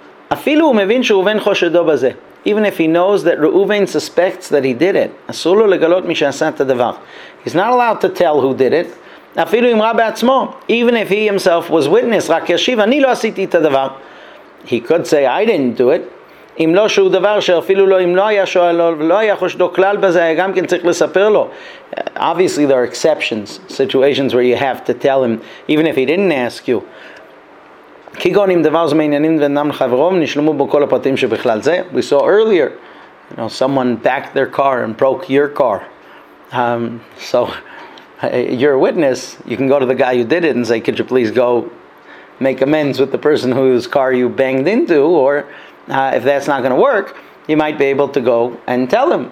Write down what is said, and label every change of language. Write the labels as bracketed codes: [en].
[he] Afilu mevin shuruven choshedo bazeh. [en] Even if he knows that Reuven suspects that he did it, [he] asulu legalot mi shasat davar. [en] He's not allowed to tell who did it. [he] Afilu im rabe atzmo. [en] Even if he himself was witness, [he] rak yashiv ani lo asiti ta davar. [en] He could say, "I didn't do it." [he] אם לא שהוא דבר שאפילו לא אם לא היה שואל ולא היה חושדו כלל בזה, היה גם כן צריך לספר לו. [en] Obviously there are exceptions, situations where you have to tell him, even if he didn't ask you. [he] כגון אם דבר זה מעניינים ואינם לחברו, נשלמו בו כל הפרטים שבכלל זה. [en] We saw earlier, you know, someone backed their car and broke your car. So you're a witness, you can go to the guy who did it and say, could you please go make amends with the person whose car you banged into, or... if that's not going to work, you might be able to go and tell him.